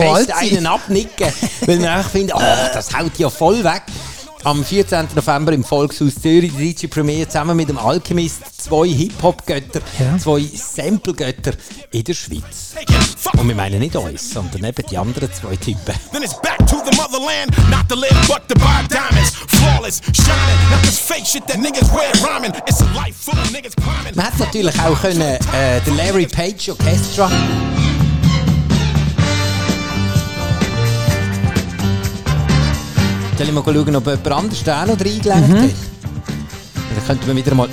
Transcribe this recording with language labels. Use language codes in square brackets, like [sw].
[de] fest einen abnicken, weil wir einfach finden, oh, das haut ja voll weg. Am 14. November im Volkshaus Zürich, die deutsche Premiere zusammen mit dem Alchemist, zwei Hip-Hop-Götter, zwei Sample-Götter in der Schweiz. Und wir meinen nicht uns, sondern eben die anderen zwei Typen. [en] Then it's back to the motherland, not to live, but to buy diamonds. Flawless, shining, not this fake shit that niggas wear rhyming. It's a life full of niggas climbing. [de] Man hätte natürlich auch können, den Larry Page Orchestra. Soll ich mal schauen, ob jemand anders da noch reingelegt hat? Dann könnten wir wieder mal...